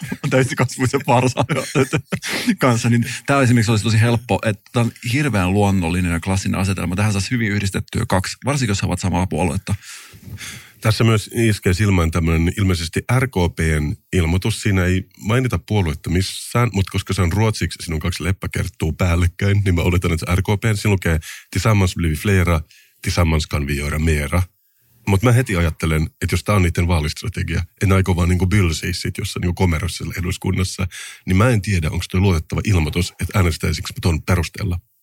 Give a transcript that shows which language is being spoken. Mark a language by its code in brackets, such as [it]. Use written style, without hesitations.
[fi] Täysikasvuisen varsan kanssa. Niin tämä esimerkiksi olisi tosi helppo, että tämä on hirveän luonnollinen ja klassinen asetelma. Tähän saisi hyvin yhdistettyä kaksi, varsinkin jos he ovat samaa puoluetta. Tässä myös iskee silmään tämmöinen ilmeisesti RKP:n ilmoitus. Siinä ei mainita puoluetta missään, mutta koska se on ruotsiksi, sinun kaksi leppäkerttuu päällekkäin, niin mä oletan, että RKP:n. Siinä lukee [sv] tillsammans blir vi flera, tillsammans kan vi göra mera. [fi] Mutta mä heti ajattelen, että jos tämä on niiden vaalistrategia, en aiko vaan niinku bylsiä sitten jossain niinku komerossilla eduskunnassa, niin mä en tiedä, onko tuo luotettava ilmoitus, että äänestäisikö mä tuon perusteella.